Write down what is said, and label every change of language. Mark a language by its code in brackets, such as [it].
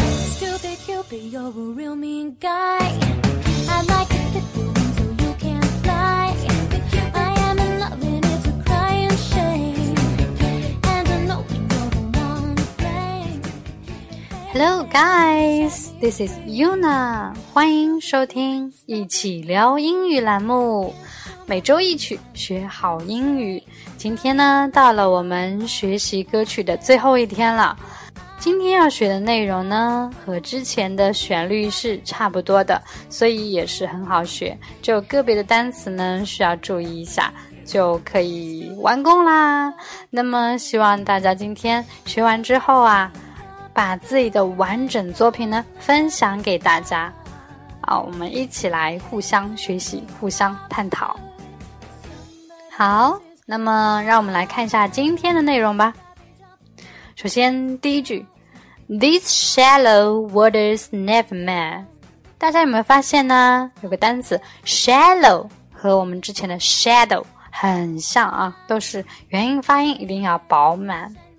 [en] Stupid Cupid, you're a real mean guy. I'd like to hit the wind so you can't fly. I am in love and it's a crying shame. And I know we don't want to blame. Hello guys, this is Yuna. [zh] 欢迎收听一起聊英语栏目，每周一曲学好英语。今天呢，到了我们学习歌曲的最后一天了。今天要学的内容呢，和之前的旋律是差不多的，所以也是很好学。就个别的单词呢，需要注意一下，就可以完工啦。那么希望大家今天学完之后啊，把自己的完整作品呢，分享给大家。好，我们一起来互相学习，互相探讨。好，那么让我们来看一下今天的内容吧。首先第一句， [en] These shallow waters never met。 [zh] 大家有没有发现呢，有个单词 shallow 和我们之前的 shadow 很像啊，都是元音发音一定要饱满。